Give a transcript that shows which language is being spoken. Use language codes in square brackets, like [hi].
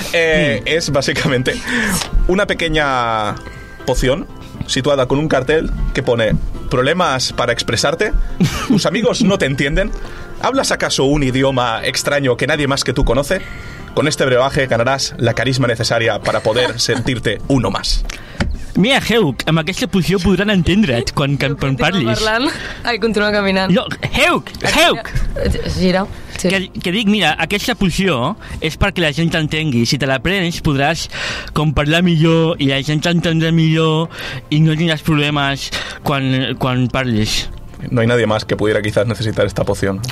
[es] Es básicamente una pequeña poción situada con un cartel que pone: problemas para expresarte, tus amigos no te entienden, ¿hablas acaso un idioma extraño que nadie más que tú conoce? Con este brebaje ganarás la carisma necesaria para poder sentirte uno más. [ca] Mira, Heuk, amb aquesta posició podran entendre't quan parlis. Continua parlant. Ai, continua caminant. No, Heuk! Gira. Sí. Que dic, mira, aquesta posició és perquè la gent t'entengui. Si te l'aprens, podràs com parlar millor i la gent t'entendrà millor i no tindràs problemes quan parlis. [es] No hay nadie más que pudiera quizás necesitar esta poción.